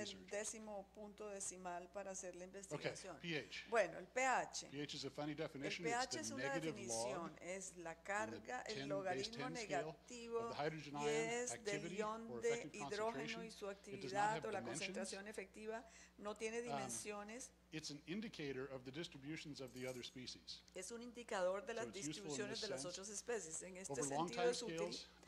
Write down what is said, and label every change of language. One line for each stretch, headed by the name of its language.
Spanish: el décimo punto decimal para hacer la investigación.
English: Okay, pH.
Spanish: Bueno, el pH.
English: pH is a funny definition.
Spanish: El pH
English: it's the
Spanish: es una definición, es la carga, el logaritmo negativo y es del ion de hidrógeno y su actividad o la concentración efectiva, no tiene dimensiones.
English: It's an indicator of the distributions of the other species.
Spanish: Es un indicador de las distribuciones de las otras especies. En este sentido es útil.